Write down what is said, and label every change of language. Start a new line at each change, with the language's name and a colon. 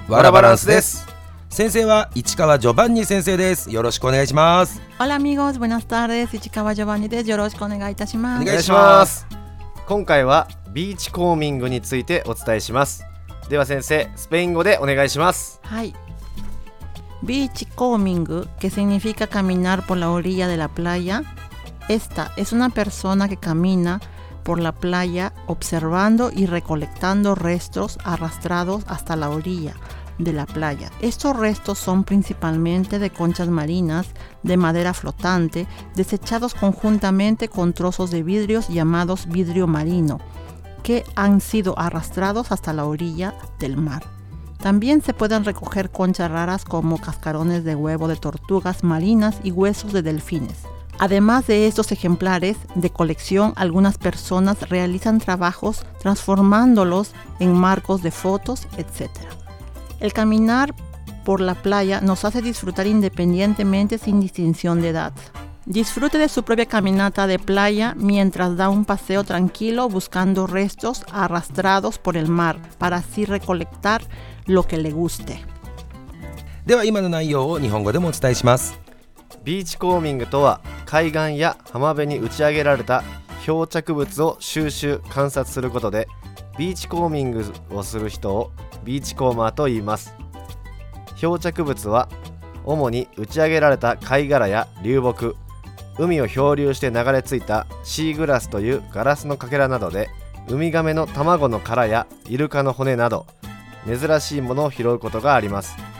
Japanese: ワラバランスです。先生は市川ジョバンニ先生です。よろしくお願いします。オラミゴーズ、ブナスターです。市川ジョバンニです。よろしくお願いいたします。お願いします。今回はビーチコーミングについてお伝えします。では先生、スペイン語でお願いします。はい。
Spanish: ビーチコーミング que significa caminar por la orilla de la playa. Esta es una persona que camina por la playa observando y recolectando restos arrastrados hasta la orilla de la playa. Estos restos son principalmente de conchas marinas, de madera flotante, desechados conjuntamente con trozos de vidrios llamados vidrio marino, que han sido arrastrados hasta la orilla del mar. También se pueden recoger conchas raras como cascarones de huevo de tortugas marinas y huesos de delfines. Además de estos ejemplares de colección, algunas personas realizan trabajos transformándolos en marcos de fotos, etc. El caminar por la playa nos hace disfrutar independientemente sin distinción de edad. Disfrute de su propia caminata de playa mientras da un paseo tranquilo buscando restos arrastrados por el mar para así recolectar lo que le guste.
Japanese: では今の内容を日本語でもお伝えします。ビーチコーミングとは、海岸や浜辺に打ち上げられた漂着物を収集観察することで、ビーチコーミングをする人をビーチコーマーと言います。漂着物は主に打ち上げられた貝殻や流木、海を漂流して流れ着いたシーグラスというガラスのかけらなどで、ウミガメの卵の殻やイルカの骨など珍しいものを拾うことがあります。